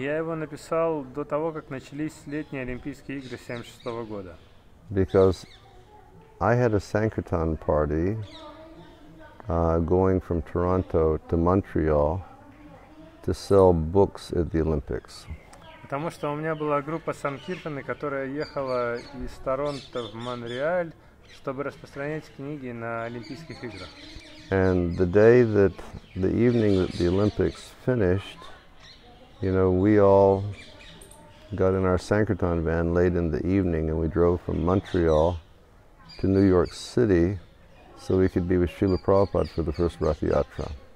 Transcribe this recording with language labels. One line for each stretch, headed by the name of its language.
Russian: Я его написал до того, как начались летние Олимпийские игры 76 года.
English: Because I had a Sankirtan party going from Toronto to Montreal to sell books at the Olympics.
Russian: Потому что у меня была группа Санкиртаны, которая ехала из Торонто в Монреаль, чтобы распространять книги на Олимпийских играх.
English: And the day that, the evening that the Olympics finished, you know, we all got in our Sankirtan van late in the evening and we drove from Montreal to New York City so we could be with Srila Prabhupada for the first Rath Yatra.